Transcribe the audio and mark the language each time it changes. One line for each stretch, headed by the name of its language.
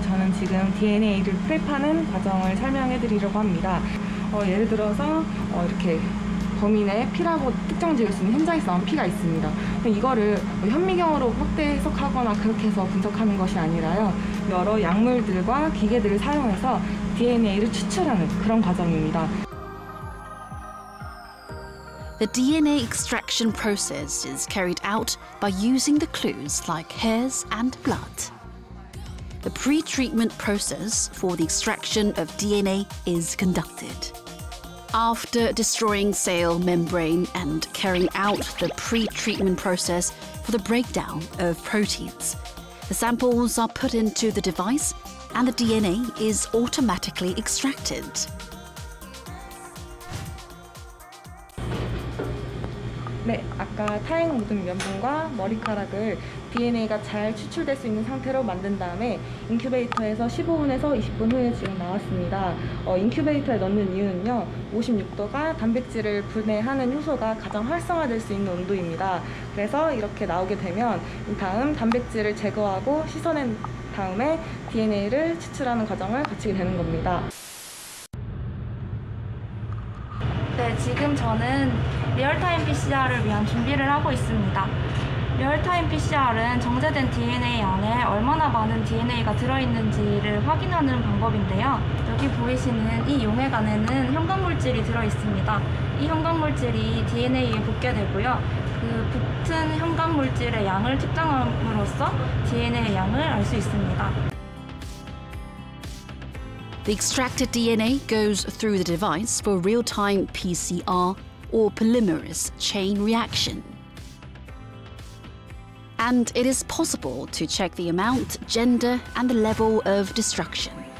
Korean: 저는 지금 DNA를 프랩하는 과정을 설명해 드리려고 합니다. 예를 들어서 이렇게 범인의 피라고 특정지을 수 있는 현장에서 피가 있습니다. 이거를 현미경으로 확대 해석하거나 그렇게 해서 분석하는 것이 아니라요. 여러 약물들과 기계들을 사용해서 DNA를 추출하는 그런 과정입니다.
English: The DNA extraction process is carried out by using the clues like hairs and blood. The pre-treatment process for the extraction of DNA is conducted. After destroying cell membrane and carrying out the pre-treatment process for the breakdown of proteins, the samples are put into the device and the DNA is automatically extracted.
Korean: Yes, 아까 타행 모든 면봉과 머리카락을 DNA가 잘 추출될 수 있는 상태로 만든 다음에 인큐베이터에서 15분에서 20분 후에 지금 나왔습니다. 인큐베이터에 넣는 이유는요, 56도가 단백질을 분해하는 효소가 가장 활성화될 수 있는 온도입니다. 그래서 이렇게 나오게 되면 다음 단백질을 제거하고 씻어낸 다음에 DNA를 추출하는 과정을 거치게 되는 겁니다. 네, 지금 저는 리얼타임 PCR을 위한 준비를 하고 있습니다. 리얼타임 PCR은 정제된 DNA 안에 얼마나 많은 DNA가 들어있는지를 확인하는 방법인데요. 여기 보이시는 이 용액 안에는 형광물질이 들어있습니다. 이 형광물질이 DNA에 붙게 되고요. 그 붙은 형광물질의 양을 측정함으로써 DNA의 양을 알 수 있습니다.
English: The extracted DNA goes through the device for real-time PCR or polymerase chain reaction. And it is possible to check the amount, gender, and the level of destruction.